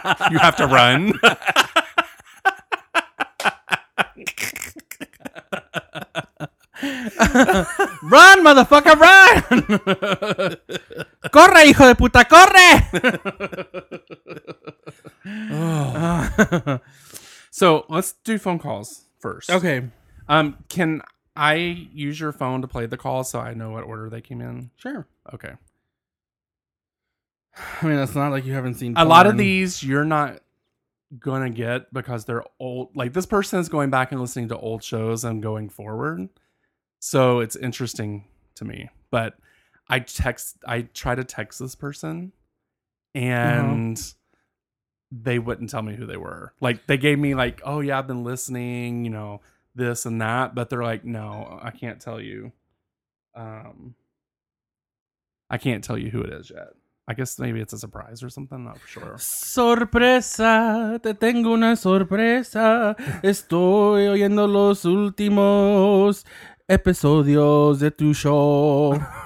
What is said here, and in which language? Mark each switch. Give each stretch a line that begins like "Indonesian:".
English: You have to run. Run, motherfucker, run!
Spanish: Corre, hijo de puta, corre!
English: So, let's do phone calls first. Okay. Can I use your phone to play the call so I know what order they came in? Sure. Okay. I mean, it's not like you haven't seen porn. A lot of these you're not going to get because they're old. Like, this person is going back and listening to old shows and going forward. So it's interesting to me. But I try to text this person and they wouldn't tell me who they were. Like, they gave me like, oh, yeah, I've been listening, you know, this and that, but they're like, no, I can't tell you. I can't tell you who it is yet. I guess maybe it's a surprise or something, not for sure.
Spanish: Sorpresa, te tengo una sorpresa. Estoy oyendo los últimos episodios de tu show.